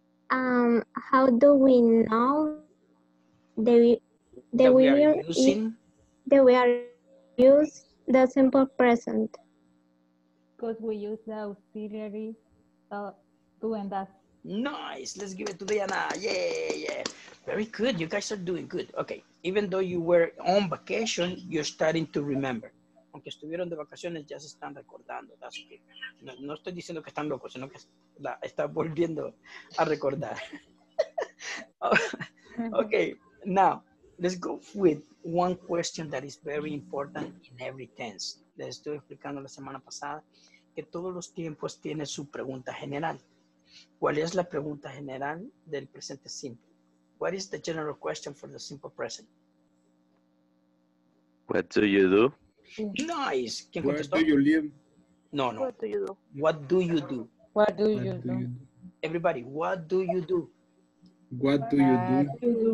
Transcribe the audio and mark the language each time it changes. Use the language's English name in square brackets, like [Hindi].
[English] How do we know that we are using the simple present? Because we use the auxiliary do and does. Nice. Let's give it to Diana. Yeah, yeah. Very good. You guys are doing good. Okay. Even though you were on vacation, you're starting to remember. [Spanish] Aunque estuvieron de vacaciones, ya se están recordando. [English] That's okay. [Spanish] No, no estoy diciendo que están locos, sino que está volviendo a recordar. [English] Okay. Now, let's go with one question that is very important in every tense. [Spanish] Les estoy explicando la semana pasada que todos los tiempos tiene su pregunta general. ¿Cuál es la pregunta general del presente simple? [English] What is the general question for the simple present? What do you do? Nice. [Spanish] ¿Quién [English] Where [Spanish] contestó? [English] Do you live? [Spanish] No, no. [English] What do you do? What do you do? What do you do? Everybody, what do you do? What do you do?